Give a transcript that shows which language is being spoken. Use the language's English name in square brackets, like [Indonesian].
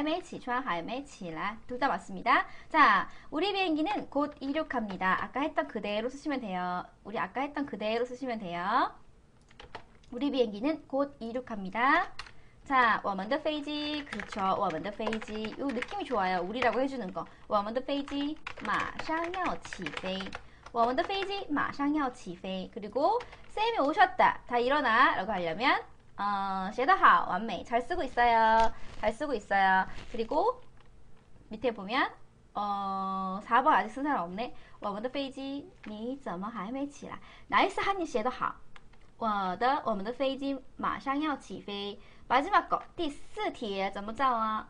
[Chinese] 还没起床，还没起来. [Korean] 둘다 맞습니다. 자, 우리 비행기는 곧 이륙합니다. 아까 했던 그대로 쓰시면 돼요. 우리 아까 했던 그대로 쓰시면 돼요. 우리 비행기는 곧 이륙합니다. 자, [Chinese] 我们的飞机, [Korean] 그렇죠. 我们的飞机.요 느낌이 좋아요. 우리라고 해주는 거. [Chinese] 我们的飞机马上要起飞.我们的飞机马上要起飞. [Korean] 그리고 쌤이 오셨다. 다 일어나. 라고 하려면 写得好, 완美, 잘 쓰고 있어요, 잘 쓰고 있어요. 그리고 밑에 보면 4번 아직 쓴 사람 없네. [Chinese] 我们的飞机你怎么还没起来? [Korean] 나이스 한입 写得好. [Chinese] 我们的飞机马上要起飞. [Korean] 마지막 거, [Chinese] 第四题怎么造啊?